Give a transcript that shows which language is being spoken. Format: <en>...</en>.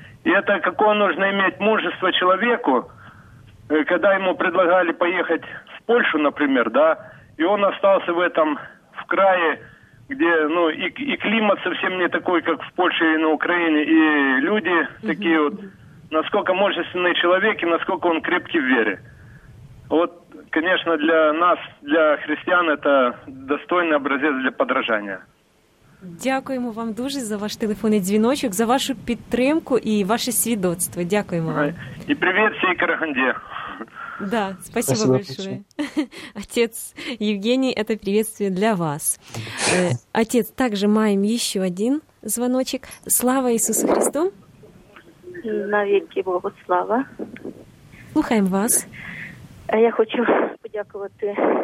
<ru>И это какое нужно иметь мужество человеку, когда ему предлагали поехать в Польшу, например, да, и он остался в этом, в крае, где, ну, и климат совсем не такой, как в Польше и на Украине, и люди такие вот, насколько мужественный человек и насколько он крепкий в вере. Вот, конечно, для нас, для христиан, это достойный образец для подражания.</ru> <uk>Дякуємо вам дуже за ваш телефонний дзвіночок, за вашу підтримку і ваше свідоцтво. Дякуємо вам. І привіт всій Караганді.</uk> <ru>Да, спасибо большое. Отец Евгений, это приветствие для вас. Отец, также</ru> <uk>маем</uk> <ru>еще один звоночек. Слава Иисусу Христу. Навеки Богу слава.</ru> <uk>Слухаем вас. Я хочу подякувати.</uk>